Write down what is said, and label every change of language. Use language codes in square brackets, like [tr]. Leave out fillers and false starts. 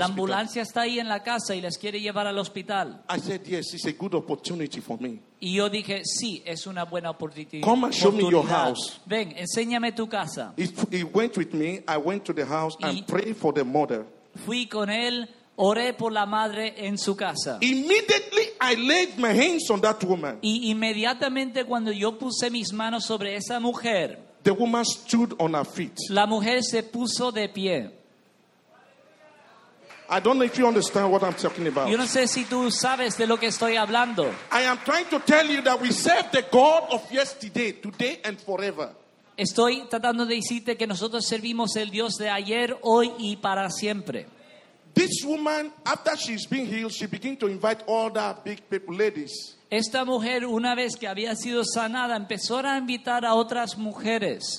[es] La ambulancia está ahí en la casa y les quiere llevar al hospital. [en] I said, yes, it's a good opportunity for me. [es] Y yo dije, sí, es una buena oportunidad. [en] Come and show me your house. [es] Ven, enséñame tu casa. [en] He went with me. I went to the house and prayed for the mother. [es] Fui con él, oré por la madre en su casa. [en] Immediately I laid my hands on that woman. [es] Y inmediatamente cuando yo puse mis manos sobre esa mujer, [en] the woman stood on her feet. [es] La mujer se puso de pie. [en] I don't know if you understand what I'm talking about. [es] Yo no sé si tú sabes de lo que estoy hablando. [en] I am trying to tell you that we serve the God of yesterday, today and forever. [es] Estoy tratando de decirte que nosotros servimos el Dios de ayer, hoy y para siempre. [en] This woman, after she's been healed, she begins to invite all the big people, ladies. [es] Esta mujer, una vez que había sido sanada, empezó a invitar a otras mujeres.